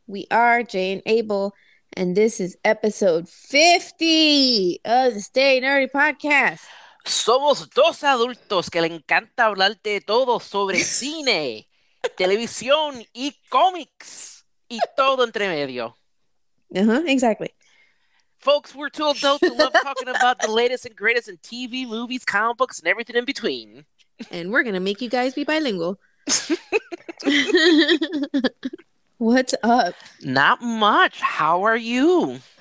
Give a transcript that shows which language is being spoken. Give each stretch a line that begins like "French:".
English: We are Jay and Abel, and this is episode 50 of the Stay Nerdy Podcast.
Spanish: Somos dos adultos que le encanta hablarte de todo sobre cine, televisión y cómics, y todo entre medio.
English: Exactly. Folks, we're two adults who love talking about the latest and greatest in TV, movies, comic books, and everything in between. And we're going to make you guys be bilingual. What's up? Not much. How are you?